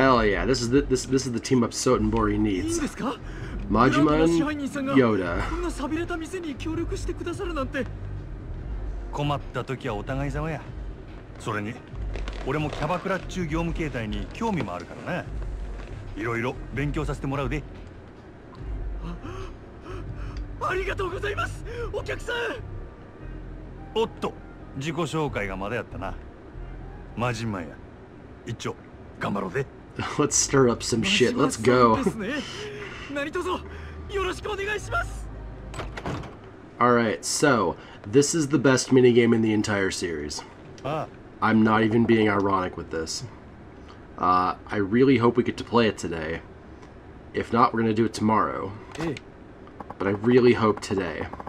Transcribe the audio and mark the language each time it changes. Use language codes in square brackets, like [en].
[en] Hell yeah, this is the team of Sotenbori needs. [ja] マジマン、ヨーダ。こんな寂れた店に協力してくださるなんて。困った時はお互い様や。それに、俺もキャバクラっちゅう業務形態に興味もあるからな。いろいろ勉強させてもらうで。ありがとうございます、お客さん。おっと、自己紹介がまだやったな。マジマンや、一丁頑張ろうぜ。 [en] Let's stir up some shit. Let's go. [ja] 何卒よろしくお願いします。 [en] All right, so this is the best minigame in the entire series. Ah, I'm not even being ironic with this. I really hope we get to play it today. If not, we're gonna do it tomorrow. But I really hope today.